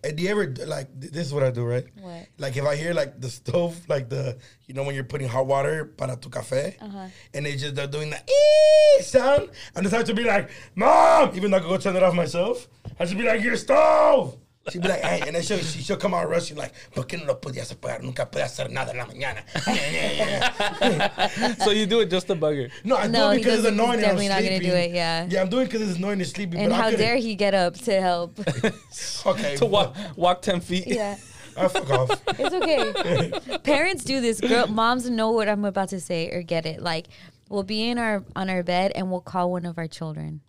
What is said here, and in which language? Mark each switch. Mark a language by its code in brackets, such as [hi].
[en] And do you ever, like, this is what I do, right? What? Like, if I hear, like, the stove, like, the, you know, when you're putting hot water [es] para tu café, [en] and they just, they're doing the sound, I just have to be like, Mom, even though I could go turn it off myself, I should be like, your stove. She'd be like, hey, and then she'll come out rushing like, [es] ¿Por qué no lo podías apagar? Nunca puede hacer nada en la mañana. [en] So you do it just to bug her. No, I do it because it's annoying. He's definitely and I'm not going to do it, yeah. Yeah, I'm doing it because it's annoying and sleepy. And but how dare he get up to help? Okay. To walk 10 feet? Yeah. I fuck off. It's okay. Parents do this. Girl, moms know what I'm about to say or get it. Like, we'll be in on our bed and we'll call one of our children.